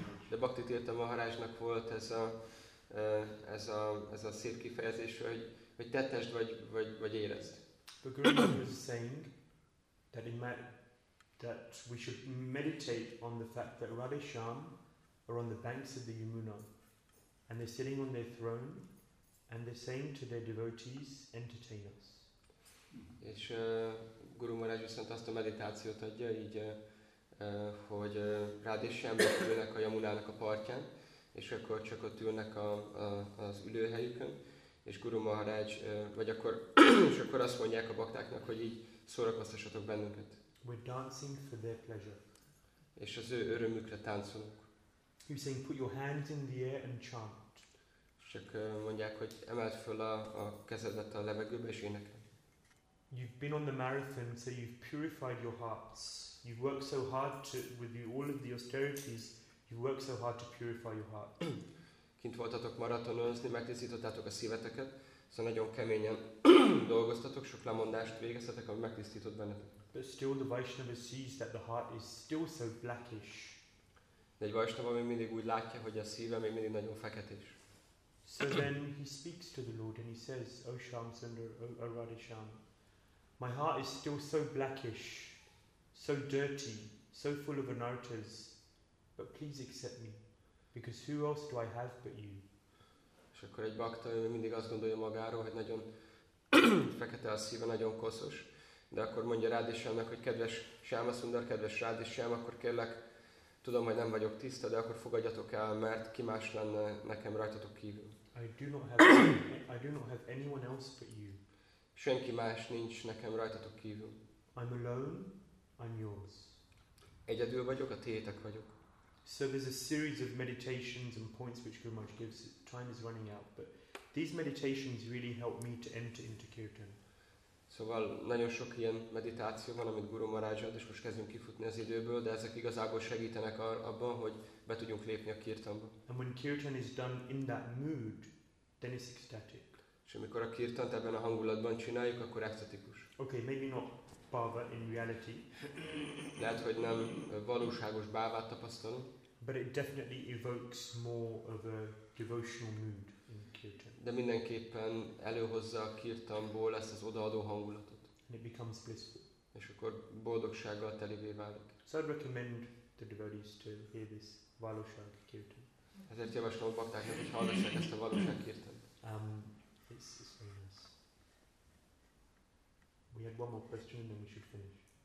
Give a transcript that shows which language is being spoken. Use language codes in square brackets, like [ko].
[hu] De Bhakti Tirtha Maharajnak volt ez a szép kifejezés, hogy tettesd vagy érezd. [en] But Guru Maharaj was saying that that we should meditate on the fact that Radhe Shyam are on the banks of the Yamuna and they're sitting on their throne and they're saying to their devotees, entertain us. [hu] És Guru Maharaj viszont azt a meditációt adja, így hogy Rádésemben ülnek a Yamunának a partján, és akkor csak ott ülnek az ülőhelyükön, és Guru Maharaj, vagy akkor, és akkor azt mondják a baktáknak, hogy így szórakoztassatok bennünket. [en] We're dancing for their pleasure. [hu] És az ő örömükre táncolunk. [en] He's saying, put your hands in the air and chant. [hu] Csak mondják, hogy emeld föl a kezedet a levegőbe és énekel. [en] You've been on the marathon, so you've purified your hearts. You've worked so hard all of the austerities, you've worked so hard to purify your heart. [hu] Kint voltatok maratonozni, megtisztítottátok a szíveteket, szóval nagyon keményen dolgoztatok, sok lemondást végeztetek, ami megtisztított bennetek. [en] But still the Vaishnava sees that the heart is still so blackish. [hu] De egy Vaishnava még mindig úgy látja, hogy a szíve még mindig nagyon feketés. [en] So then he speaks to the Lord and he says, O Shyam Sundar, O Radhe Shyam, my heart is still so blackish, so dirty, so full of anartas, but please accept me, because who else do I have but you? [hu] És akkor egy bakta mindig azt gondolja magáról, hogy nagyon fekete a szíve, nagyon koszos, de akkor mondja Radhe Shyamnak, hogy kedves Shyama Sundar, kedves Radhe Shyam, akkor kérlek, tudom, hogy nem vagyok tiszta, de akkor fogadjatok el, mert ki más lenne nekem rajtatok kívül. [en] I do not have anyone else but you. [hu] Senki más nincs nekem rajtatok kívül. [en] I'm alone, I'm yours. [hu] Egyedül vagyok, a tiétek vagyok. [en] So there's a series of meditations and points which Guru Maharaj gives. Time is running out, but these meditations really help me to enter into kirtan. [hu] Szóval nagyon sok ilyen meditáció van, amit Guru Maharaj ad, és most kezdünk kifutni az időből, de ezek igazából segítenek abban, hogy be tudjunk lépni a kirtanba. [en] And when kirtan is done in that mood, then it's ecstatic. [hu] És amikor a kirtant ebben a hangulatban csináljuk, akkor ecstatikus. [en] Okay, maybe not bhava in reality. [hu] Lehet, hogy nem valóságos bhávát tapasztalunk. [en] But it definitely evokes more of a devotional mood in kirtan. kirtan. [hu] De mindenképpen előhozza a kirtanból ezt az odaadó hangulatot. [en] And it becomes blissful. [hu] És akkor boldogsággal telivé válik. [en] So I recommend the devotees to hear this valóság kirtan. [hu] Ezért javaslom a baktáknak, hogy hallgassák ezt a valóság kirtant. [en] It's very nice. We had one more question and then we should finish.